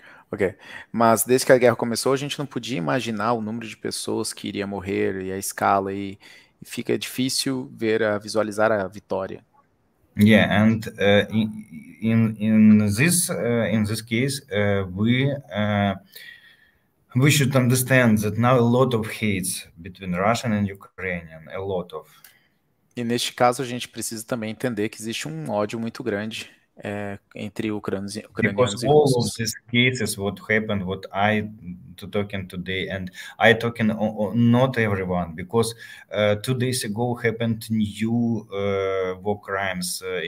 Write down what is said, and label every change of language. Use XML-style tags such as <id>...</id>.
<pt>Ok, mas desde que a guerra começou, a gente não podia imaginar o número de pessoas que iria morrer e a escala, e fica difícil visualizar a vitória.</pt> <en>Yeah, and in this case, we should understand that now a lot of hate between Russian and Ukrainian, a lot of.</en> <pt>E neste caso, a gente precisa também entender que existe um ódio muito grande. Entre ucranianos e russos.</pt> <en>Because all of these cases, what happened, what I talking today, and I talking not everyone, because 2 days ago happened new war crimes.</en>